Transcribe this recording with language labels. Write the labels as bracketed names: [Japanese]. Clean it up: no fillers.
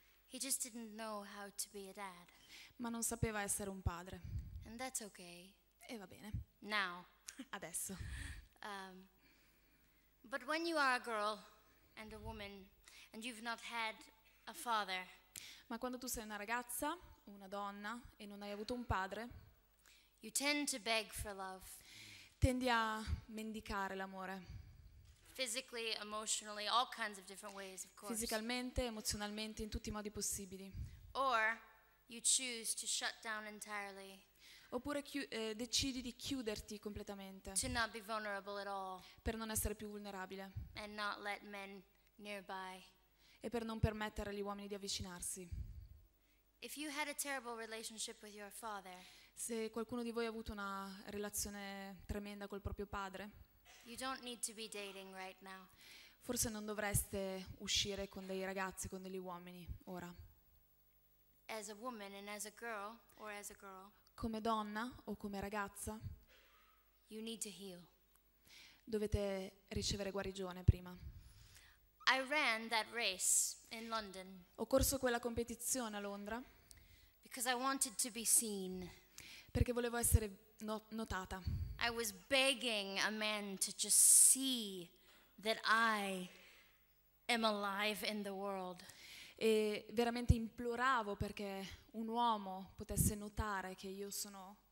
[English] He just didn't know how to be a dad. [Italian] Ma non sapeva essere un padre. [English] And that's okay. [Italian] E va bene. [English] Now. [Italian] Adesso. [English] But when you are a girl and a woman and you've not had a father. [Italian] Ma quando tu sei una ragazza, una donna e non hai avuto un padre. [English] You tend to beg for love. [Italian] Tendi a mendicare l'amore. [English] Physically, emotionally, all kinds of different ways, of course. [Italian] Fisicamente, emozionalmente, in tutti i modi possibili. [English] Or you choose to shut down entirely. [Italian] oppure decidi di chiuderti completamente, [English] to not be vulnerable at all, [Italian] per non essere più vulnerabile, [English] and not let men nearby, [Italian] e per non permettere agli uomini di avvicinarsi. [English] If you had a terrible relationship with your father, [Italian] se qualcuno di voi ha avuto una relazione tremenda col proprio padre, [English] you don't need to be dating right now. [Italian] Forse non dovreste uscire con dei ragazzi, con degli uomini ora. [English] As a woman and as a girl, or as a girl, [Italian] come donna o come ragazza, [English] you need to heal. [Italian] Dovete ricevere guarigione prima. [English] I ran that race in London. [Italian] Ho corso quella competizione a Londra. [English] Because I wanted to be seen. [Italian] Perché volevo essere notata. [English] I was begging a man to just see that I am alive in the world. [Italian] E veramente imploravo perché un uomo potesse notare che io sono.